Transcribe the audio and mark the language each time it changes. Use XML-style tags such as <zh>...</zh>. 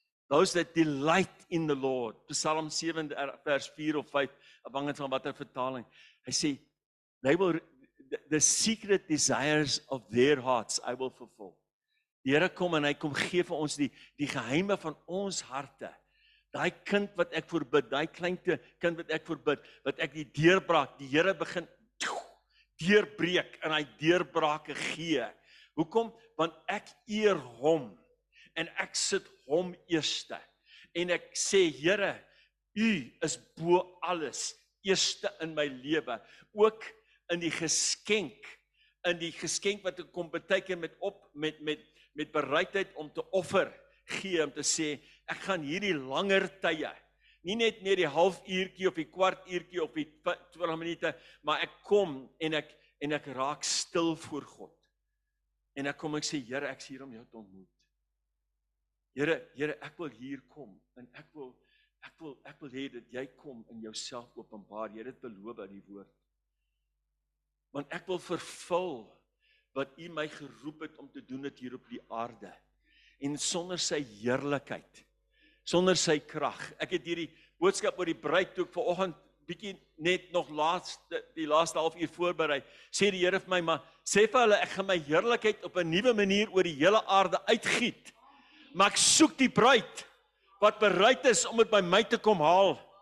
<en>Those that delight in the Lord.</en> <af>Psalm 7 vers 4 of 5, afhangend van watter vertaling. Hy sê,</af> <en>the secret desires of their hearts I will fulfill.</en> <af>Die Here kom en hy kom gee vir ons die geheime van ons harte. Daai kind wat ek voorbid, daai kleinte kind wat ek voorbid, wat ek die deurbraak, die Here begin deurbreek en hy deurbrake gee. Hoekom? Want ek eer hom en ek sit hom eerste. En ek sê, Here, U is bo alles eerste in my lewe. Ook in die geskenk wat ek kom beteken met bereidheid om te offer gee, om te sê, ek gaan hierdie langer tye, nie net meer die halfuurtjie of die kwartuurtjie of die 20 minute, maar ek kom en ek raak stil voor God. En ek kom en ek sê, Here, ek's hier om jou te ontmoet. Here, ek wil hier kom en ek wil hê dat jy kom en jouself openbaar. Jy het beloof in die woord. Want ek wil vervul wat U my geroep het om te doen dit hier op die aarde. En sonder sy heerlikheid, sonder sy krag. Ek het hierdie boodskap oor die bruid toe ek vanoggend bietjie net nog die laaste halfuur voorberei. Sê die Here vir my, maar sê vir hulle ek gaan my heerlikheid op 'n nuwe manier oor die hele aarde uitgiet. Maar ek soek die bruid wat bereid is om dit by my te kom haal.</af>